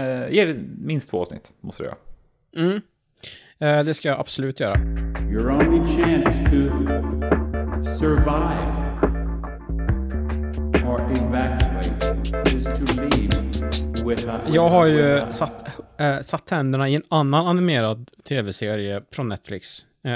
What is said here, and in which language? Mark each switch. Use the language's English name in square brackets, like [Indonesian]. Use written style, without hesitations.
[Swedish] Ger minst två avsnitt, måste jag. Det ska jag absolut göra. [English] Your only chance to survive or evacuate is to leave with a... [Swedish] Jag har ju satt händerna i en annan animerad tv-serie från Netflix.